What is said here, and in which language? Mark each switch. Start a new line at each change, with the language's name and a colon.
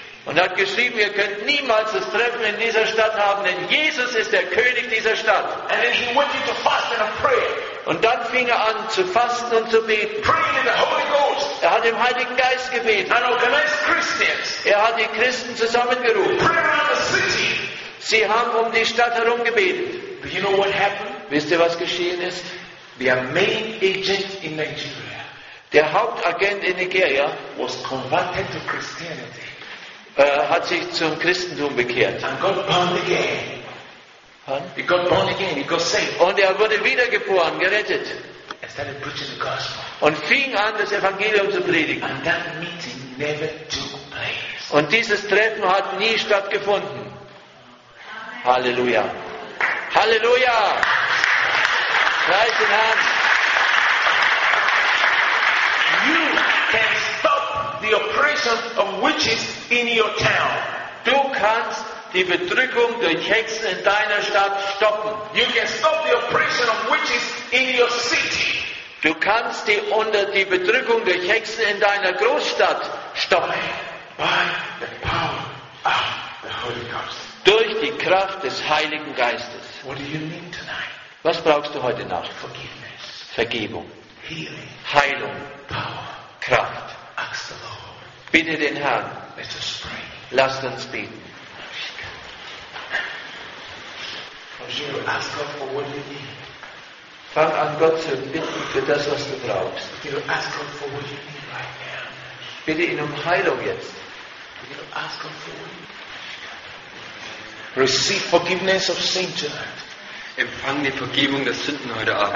German: Und hat geschrieben, ihr könnt niemals das Treffen in dieser Stadt haben, denn Jesus ist der König dieser Stadt.
English: And then he went into fasting and prayer.
German: Und dann fing er an zu fasten und zu beten.
English: Praying in the Holy Ghost.
German: Er hat im Heiligen Geist gebeten.
English: And organized Christians.
German: Er hat die Christen zusammengerufen.
English: Praying around the city.
German: Sie haben um die Stadt herum gebetet.
English: But you know what happened?
German: Wisst ihr, was geschehen ist?
English: Their main agent in Nigeria.
German: Der Hauptagent in Nigeria
English: was converted to Christianity.
German: Hat sich zum Christentum bekehrt.
English: And got born again. Huh? He got born again. He got saved.
German: Und er wurde wiedergeboren, gerettet.
English: And started preaching the gospel.
German: Und fing an, das Evangelium zu predigen.
English: And that meeting never took place.
German: Und dieses Treffen hat nie stattgefunden. Halleluja. Halleluja. Preist den Herrn.
English: You can stop the oppression of witches in your town.
German: Du kannst die Bedrückung durch Hexen in deiner Stadt stoppen.
English: You can stop the oppression of witches in your city.
German: Du kannst die Bedrückung durch Hexen in deiner Großstadt stoppen.
English: By the power of the Holy Ghost.
German: Durch die Kraft des Heiligen Geistes.
English: What do you need tonight?
German: Was brauchst du heute Nacht?
English: Forgiveness.
German: Vergebung.
English: Healing.
German: Heilung.
English: Power.
German: Kraft.
English: Ask the Lord.
German: Bitte den Herrn.
English: Let us pray.
German: Lasst uns beten.
English: Ask God for what you need.
German: Fang an, Gott zu bitten für das, was du brauchst.
English: Ask God for what you need right now.
German: Bitte ihn um Heilung jetzt.
English: Ask God for what you need. Receive forgiveness of sin tonight.
German: Empfang die Vergebung der Sünden heute Abend.